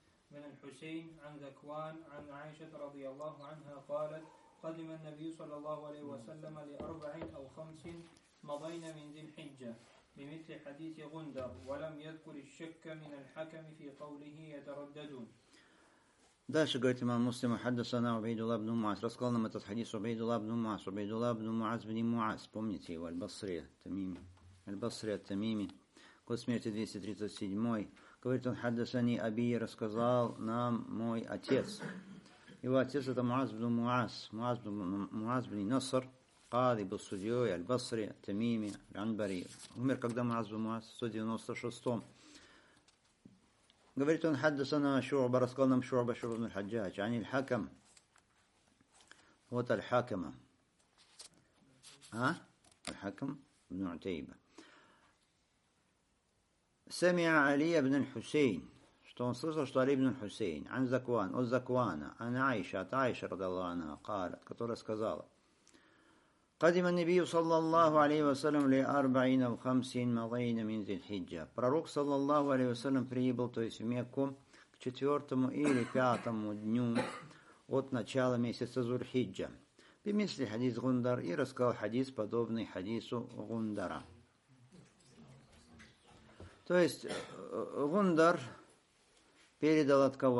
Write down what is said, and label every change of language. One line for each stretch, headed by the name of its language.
Arabic: من الحسين عن ذكوان عن عائشة رضي الله عنها قالت قدم النبي صلى الله عليه وسلم لأربع أو خمس مضين من ذي الحجة بمثل حديث غندر ولم يذكر الشك من الحكم في قوله يترددون.
Russian: Дальше говорит имам Муслим, хаддасана Убейдулла ибн Муаз, рассказал нам этот хадис Убейдулла ибн Муаз, Убейдулла ибн Муаз бин Муаз, помните его, Аль-Басри, Тамими, год смерти 237-й, говорит он, хаддасани Аби, рассказал нам мой отец. Его отец это Муаз бин Муаз, Муаз бин Насар, Кади был судьей, Аль-Басри, Тамими, Ранбари. Умер когда Муаз бин Муаз, в 196-м. Говорит он, хаддасана Шуаба, рассказал нам Шуаба, Шуаба бин Хаджач, ани аль-хакам. Вот аль-хакама. А? Аль-хакам бин Утейба. Самиа Али ибн аль-Хусейн. Что он слышал, что Али ибн аль-Хусейн. Ан закван, от закуана. Ан Айша, от Айша, радаллаху анха, قالت, которая сказала.
Arabic: قدم النبي صلى الله عليه وسلم لأربعين أو خمسين مضين من ذي الحجة.
Russian: Пророк
Arabic: صلى الله عليه وسلم
Russian: прибыл, то есть в Мекку, к четвертому или пятому дню от начала месяца Зульхиджа. Примислил хадис Гундар и рассказал хадис, подобный хадису Гундара. То есть Гундар передал от кого?